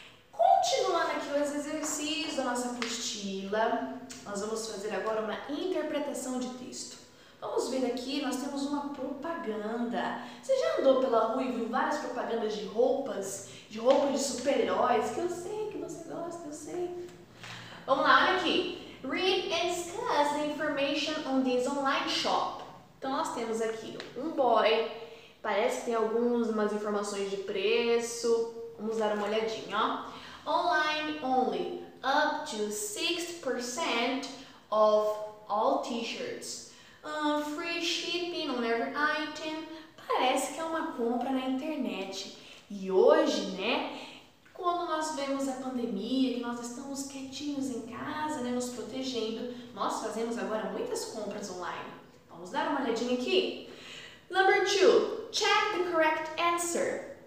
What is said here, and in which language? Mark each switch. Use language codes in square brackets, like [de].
[pt] Continuando aqui os exercícios da nossa apostila, nós vamos fazer agora uma interpretação de texto. Vamos ver aqui, nós temos uma propaganda. Você já andou pela rua e viu várias propagandas de roupas? De roupas de super-heróis? Que eu sei que você gosta, eu sei. Vamos lá, olha aqui. [en] Read and discuss the information on this online shop. [pt] Então, nós temos aqui um boy. Parece que tem algumas informações de preço. Vamos dar uma olhadinha, ó. [en] Online only, up to 6% of all t-shirts. Free shipping on every item. [pt] Parece que é uma compra na internet. E hoje, né, quando nós vemos a pandemia, que nós estamos quietinhos em casa, né, nos protegendo, nós fazemos agora muitas compras online. Vamos dar uma olhadinha aqui. [en] Number two, check the correct answer.